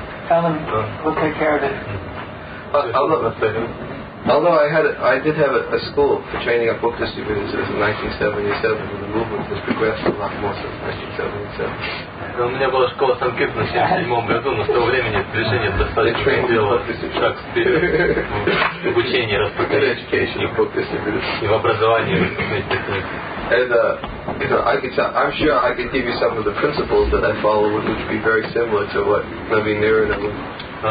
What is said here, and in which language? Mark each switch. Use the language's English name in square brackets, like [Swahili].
[English] Tell them we'll take care of it. I'll let them say it. Although I did have a school for training up book distributors in 1977, and the movement has progressed a lot more since 1977. [Russian] У меня была школа санкетна в 77 году, но с того времени движение достаточно сделало шаг вперед в обучении распространения и в образовании. [English] And I'm sure I could give you some of the principles that I follow, which would be very similar to what Naveen Narada would.